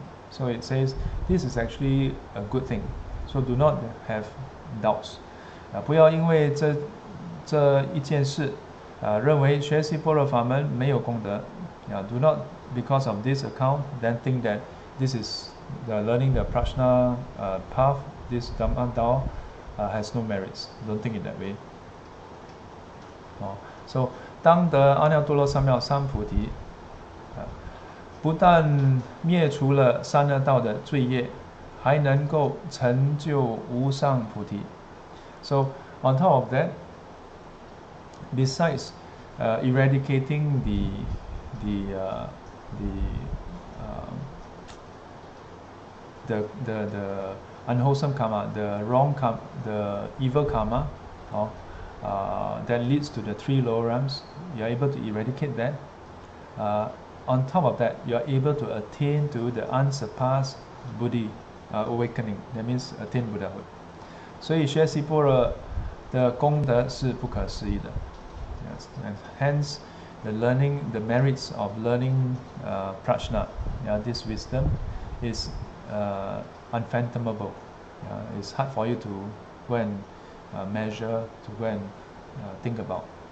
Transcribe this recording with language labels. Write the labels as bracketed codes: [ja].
[en] So it says this is actually a good thing. So do not have doubts. [zh] 不要因为这一件事，认为学习般若法门没有功德，yeah. [en] Do not because of this account then think that this is the learning the Prajna path. This Dhamma Dao has no merits. Don't think it that way. [zh] So 当得阿耨多罗三藐三菩提，不但灭除了三恶道的罪业，还能够成就无上菩提。 [en] So on top of that, besides eradicating the unwholesome karma, the evil karma, that leads to the three lower realms, you are able to eradicate that. On top of that, you are able to attain to the unsurpassed Bodhi, awakening. That means attain Buddhahood. [zh] 所以学习般若的功德是不可思议的。 [en] Yes, and hence the learning, the merits of learning, Prajna, yeah, this wisdom is unfathomable. It's hard for you to go and measure, to go and think about.